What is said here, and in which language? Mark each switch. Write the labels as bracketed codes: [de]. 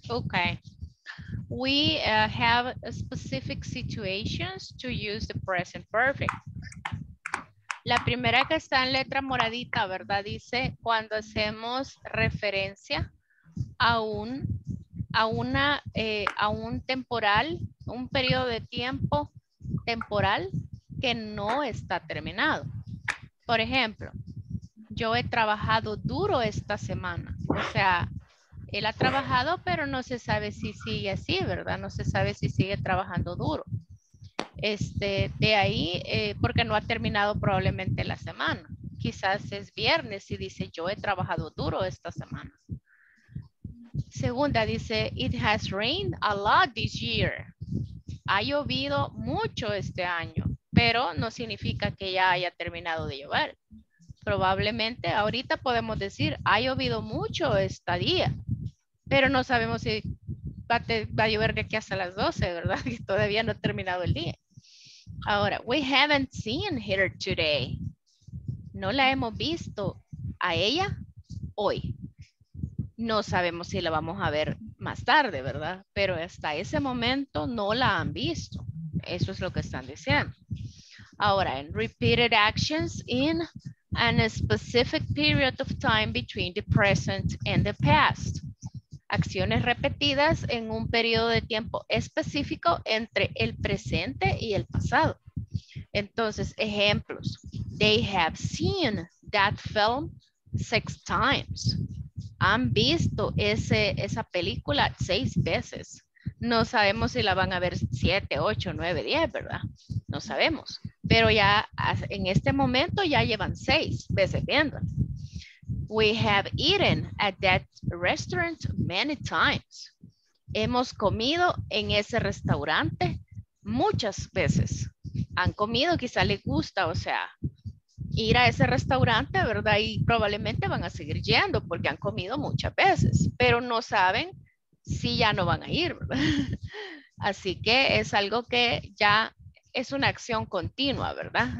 [en] Okay, we have specific situations to use the present perfect. [es] La primera que está en letra moradita, ¿verdad? Dice cuando hacemos referencia a un temporal, un periodo de tiempo temporal que no está terminado. Por ejemplo, yo he trabajado duro esta semana. O sea, él ha trabajado, pero no se sabe si sigue así, ¿verdad? No se sabe si sigue trabajando duro. De ahí, porque no ha terminado probablemente la semana. Quizás es viernes y dice, yo he trabajado duro esta semana. Segunda, dice, [en] it has rained a lot this year. [es] Ha llovido mucho este año, pero no significa que ya haya terminado de llover. Probablemente ahorita podemos decir ha llovido mucho este día, pero no sabemos si va a llover de aquí hasta las 12, ¿verdad? Y todavía no ha terminado el día. Ahora, [en] we haven't seen her today. [es] No la hemos visto a ella hoy. No sabemos si la vamos a ver más tarde, ¿verdad? Pero hasta ese momento no la han visto. Eso es lo que están diciendo. Ahora, en [en] repeated actions in and a specific period of time between the present and the past. [es] Acciones repetidas en un periodo de tiempo específico entre el presente y el pasado. Entonces, ejemplos. [en] They have seen that film 6 times. [es] Han visto esa película 6 veces. No sabemos si la van a ver 7, 8, 9, 10, ¿verdad? No sabemos. Pero ya en este momento ya llevan 6 veces viendo. [en] We have eaten at that restaurant many times. [es] Hemos comido en ese restaurante muchas veces. Han comido, quizá les gusta, o sea, ir a ese restaurante, ¿verdad? Y probablemente van a seguir yendo porque han comido muchas veces. Pero no saben si ya no van a ir, ¿verdad? Así que es algo que ya es una acción continua, ¿verdad?